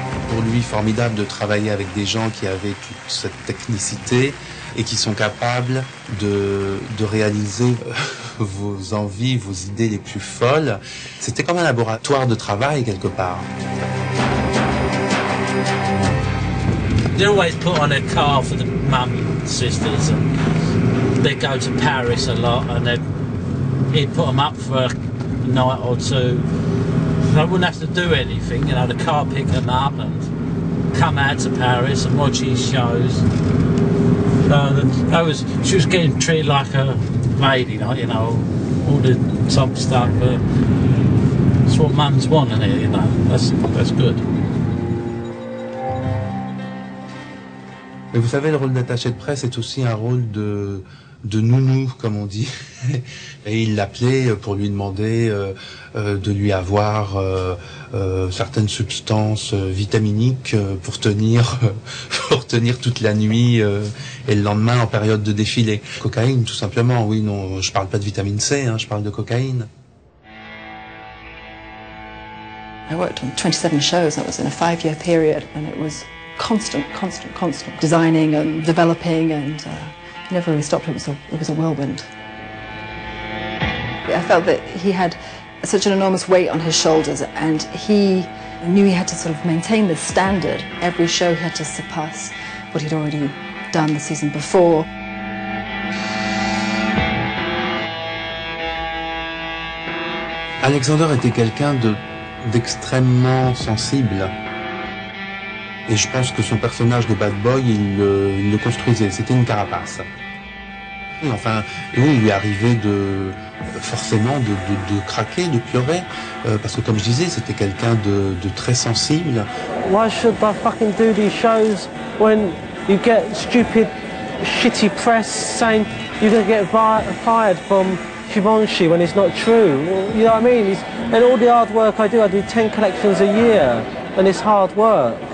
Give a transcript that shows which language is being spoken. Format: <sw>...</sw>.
<fr>Pour lui, formidable de travailler avec des gens qui avaient toute cette technicité et qui sont capables de réaliser vos envies, vos idées les plus folles. C'était comme un laboratoire de travail, quelque part.</fr> <en>They always put on a car for the mum and sisters, and they go to Paris a lot, and he'd put them up for a night or two. They wouldn't have to do anything, you know, the car pick them up and come out to Paris and watch his shows. She was getting treated like a lady, like, you know, all the top stuff, but it's what mums want, isn't it? You know, that's good.</en> <fr>Mais vous savez, le rôle d'attaché de presse est aussi un rôle de nounou, comme on dit. Et il l'appelait pour lui demander de lui avoir certaines substances vitaminiques pour tenir toute la nuit et le lendemain en période de défilé. Cocaïne, tout simplement. Oui, non, je parle pas de vitamine C, hein, je parle de cocaïne.</fr> <en>I worked on 27 shows, that was in a 5-year period, and it was constant designing and developing, and never really stopped. It was a whirlwind. I felt that he had such an enormous weight on his shoulders, and he knew he had to sort of maintain this standard. Every show he had to surpass what he'd already done the season before.</en> <fr>Alexander était quelqu'un d'extrêmement sensible. Et je pense que son personnage de bad boy, il le construisait. C'était une carapace. Enfin, oui, il lui arrivait forcément de craquer, de pleurer. Parce que comme je disais, c'était quelqu'un de très sensible.</fr> <en>Why should I fucking do these shows when you get stupid, shitty press saying you're gonna get fired from Givenchy when it's not true? You know what I mean? And all the hard work I do 10 collections a year. And it's hard work.</en>